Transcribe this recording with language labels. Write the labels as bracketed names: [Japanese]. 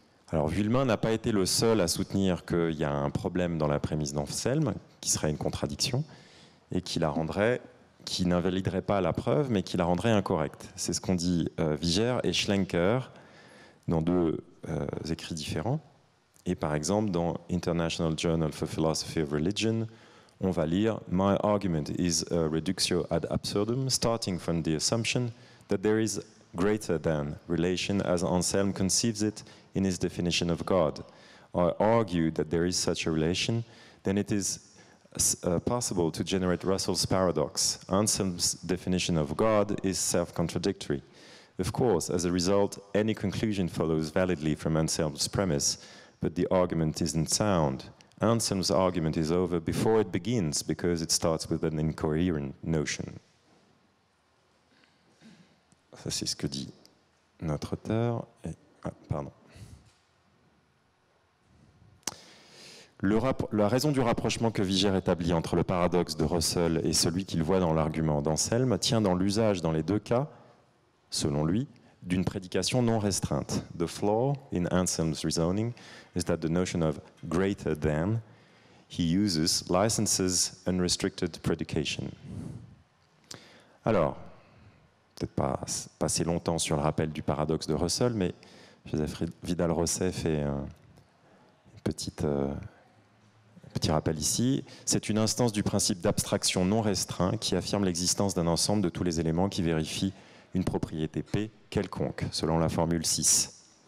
[French] Alors, Villemin n'a pas été le seul à soutenir qu'il y a un problème dans la prémisse d'Anselme, qui serait une contradiction, et qui la rendrait, qui n'invaliderait pas la preuve, mais qui la rendrait incorrecte. C'est ce qu'ont dit Viger et Schlenker dans deux écrits différents. Et par exemple, dans International Journal for Philosophy of Religion, on va lire [English] « My argument is a reductio ad absurdum, starting from the assumption that there is greater than relation as Anselm conceives it in his definition of God. I argue that there is such a relation, then it is possible to generate Russell's paradox. Anselm's definition of God is self-contradictory. Of course, as a result, any conclusion follows validly from Anselm's premise, but the argument isn't sound. Anselm's argument is over before it begins because it starts with an incoherent notion. » [French] Ça, c'est ce que dit notre auteur. Et, ah, pardon. La raison du rapprochement que Viger établit entre le paradoxe de Russell et celui qu'il voit dans l'argument d'Anselme tient dans l'usage dans les deux cas, selon lui, d'une prédication non restreinte. [English] The flaw in Anselm's reasoning is that the notion of greater than he uses licenses unrestricted predication. [French] Alors, peut-être pas passer longtemps sur le rappel du paradoxe de Russell, mais Joseph Vidal-Rosset fait un petit rappel ici. C'est une instance du principe d'abstraction non restreint qui affirme l'existence d'un ensemble de tous les éléments qui vérifient une propriété P quelconque, selon la formule 6.